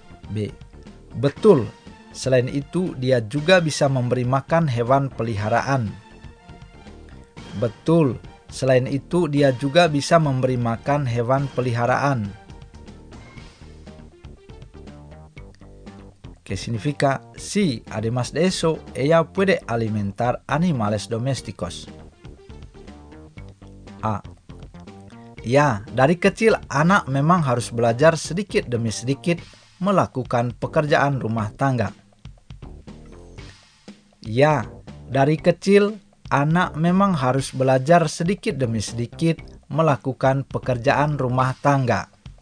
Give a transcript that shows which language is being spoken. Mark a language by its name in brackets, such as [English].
[Indonesian] B. Betul. Selain itu, dia juga bisa memberi makan hewan peliharaan. Betul. Selain itu, dia juga bisa memberi makan hewan peliharaan. [Spanish] Que significa si, además de eso, ella puede alimentar animales domésticos. [Indonesian] Ya, dari kecil anak memang harus belajar sedikit demi sedikit melakukan pekerjaan rumah tangga. Ya, dari kecil anak memang harus belajar sedikit demi sedikit melakukan pekerjaan rumah tangga.